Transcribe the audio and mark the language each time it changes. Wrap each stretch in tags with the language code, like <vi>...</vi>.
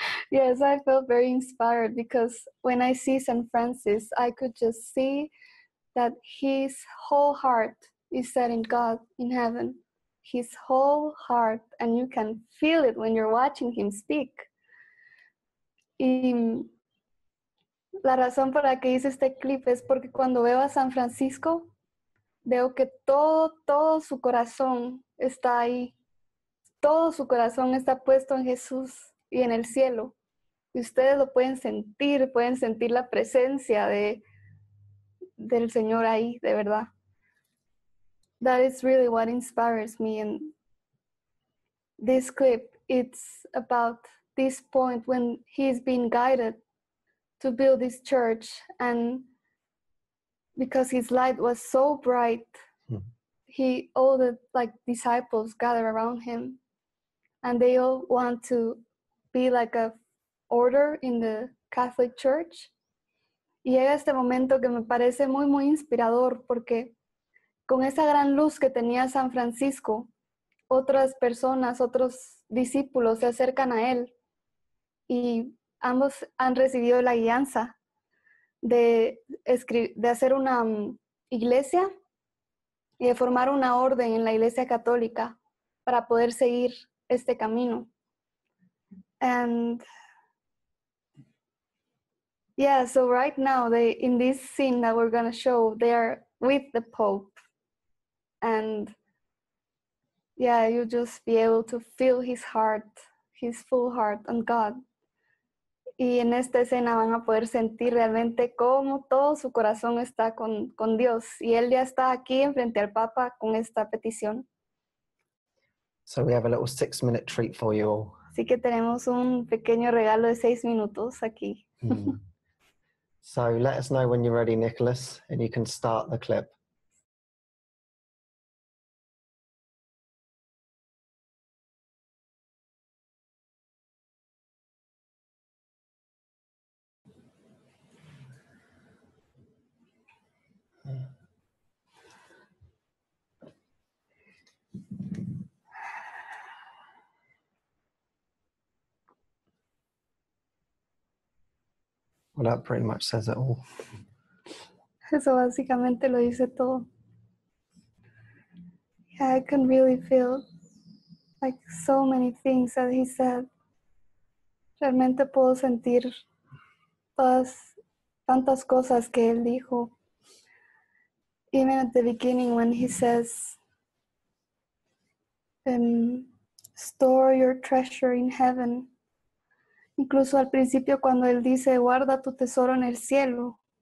<en>Yes, I felt very inspired because when I see St. Francis, I could just see that his whole heart is set in God in heaven. His whole heart, and you can feel it when you're watching him speak.</en> <es>Y la razón por la que hice este clip es porque cuando veo a San Francisco, veo que todo su corazón está ahí. Todo su corazón está puesto en Jesús y en el cielo. Y ustedes lo pueden sentir la presencia del Señor ahí, de verdad.</es> <en>That is really what inspires me. And this clip, it's about this point when he's been guided to build this church, and because his light was so bright, he all the like disciples gather around him, and they all want to be like a order in the Catholic Church.</en> <es>Y llega este momento que me parece muy muy inspirador porque con esa gran luz que tenía San Francisco, otras personas, otros discípulos se acercan a él. Y ambos han recibido la guianza de hacer una iglesia y de formar una orden en la iglesia católica para poder seguir este camino.</es> <en>And yeah, so right now, in this scene that we're going to show, they are with the Pope. And yeah, you just be able to feel his heart, his full heart on God.</en> <es>Y en esta escena van a poder sentir realmente cómo todo su corazón está con Dios. Y él ya está aquí enfrente al Papa con esta petición.</es> <en>So we have a little 6-minute treat for you all.</en> <es>Así que tenemos un pequeño regalo de 6 minutos aquí.</es> <en>So let us know when you're ready, Nicolas, and you can start the clip. Well, that pretty much says it all.</en> <es>Eso básicamente lo dice todo.</es> <en>Yeah, I can really feel like so many things that he said.</en> <es>Realmente puedo sentir tantas cosas que él dijo.</es> <en>Even at the beginning when he says, store your treasure in heaven.</en> <es>Incluso al principio cuando él dice, guarda tu tesoro en el cielo.</es>